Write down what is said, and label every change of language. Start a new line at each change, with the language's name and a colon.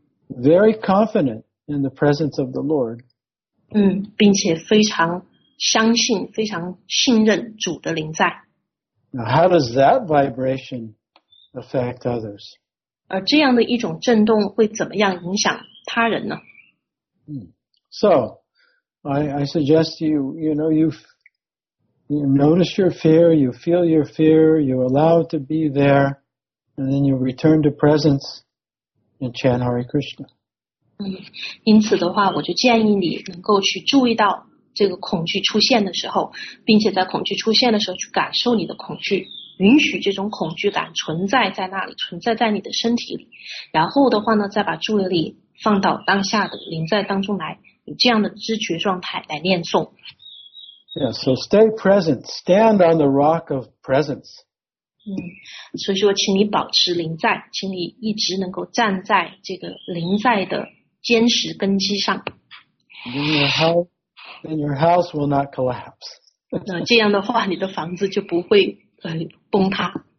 English: Very confident in the presence of the Lord.
Chinese: 并且非常相信，非常信任主的临在。
English: Now, how does that vibration affect others?
Chinese: 而这样的一种震动会怎么样影响他人呢？
English: So, I suggest you notice your fear, you feel your fear, you allow it to be there, and then you return to presence and chant Hare Krishna.
Chinese: 因此的话，我就建议你能够去注意到这个恐惧出现的时候，并且在恐惧出现的时候去感受你的恐惧，允许这种恐惧感存在在那里，存在在你的身体里。然后的话呢，再把注意力放到当下的临在当中来，以这样的知觉状态来念诵。
English: Yeah, so stay present, stand on the rock of presence.
Chinese: 所以说，请你保持临在，请你一直能够站在这个临在的坚实根基上。
English: Then your house will not collapse.
Chinese: 那这样的话，你的房子就不会崩塌。